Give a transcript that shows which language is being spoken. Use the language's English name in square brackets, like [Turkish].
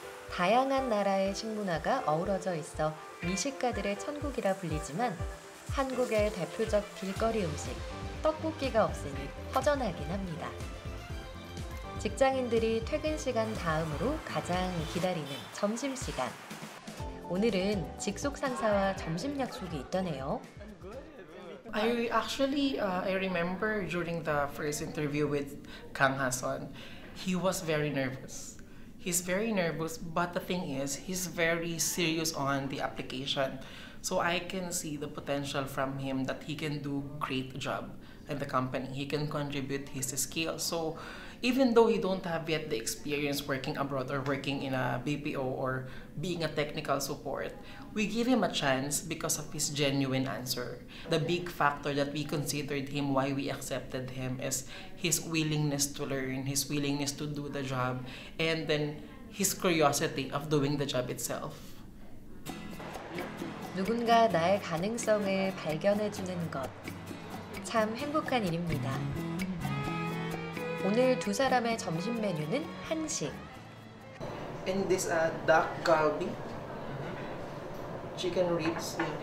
[Korean] 다양한 나라의 식문화가 어우러져 있어 미식가들의 천국이라 불리지만 한국의 대표적 길거리 음식, 떡볶이가 없으니 허전하긴 합니다. 직장인들이 퇴근 시간 다음으로 가장 기다리는 점심시간. 오늘은 직속 상사와 점심 약속이 있다네요. [English] I remember during the first interview with Kang Ha-sun, he was very nervous. He's very nervous, but the thing is, he's very serious on the application. So I can see the potential from him that he can do great job in the company. He can contribute his skills. So even though he don't have yet the experience working abroad or working in a BPO or being a technical support, we give him a chance because of his genuine answer. The big factor that we considered him, why we accepted him, is his willingness to learn, his willingness to do the job, and then his curiosity of doing the job itself. [Korean] 누군가 나의 가능성을 발견해주는 것, 참 행복한 일입니다. 오늘 두 사람의 점심 메뉴는 한식. [English] And this duck galbi, chicken ribs.